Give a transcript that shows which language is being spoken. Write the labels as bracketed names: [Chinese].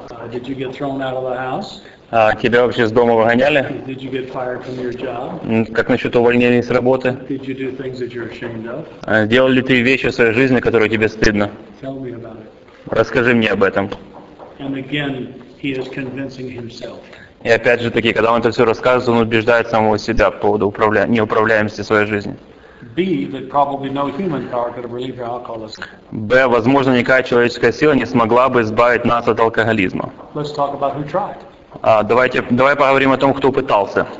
[English] Did you get thrown out of the house? [Russian] Тебя вообще с дома выгоняли? [English] Did you get fired from your job? [Russian] Как насчет увольнения с работы? [English] Did you do things that you're ashamed of? [Russian] Делали ли ты вещи в своей жизни, которые тебе стыдно? [English] Tell me about it. [Russian] Расскажи мне об этом. [English] And again, he is convincing himself. [Russian] И опять же таки, когда он это все рассказывает, он убеждает самого себя по поводу неуправляемости своей жизни. [English] B, that probably no human power could have relieved your alcoholism. [Russian] B, возможно, никакая человеческая сила не смогла бы избавить нас от алкоголизма. [English] Let's talk about who tried. [Russian] Давай поговорим о том, кто пытался.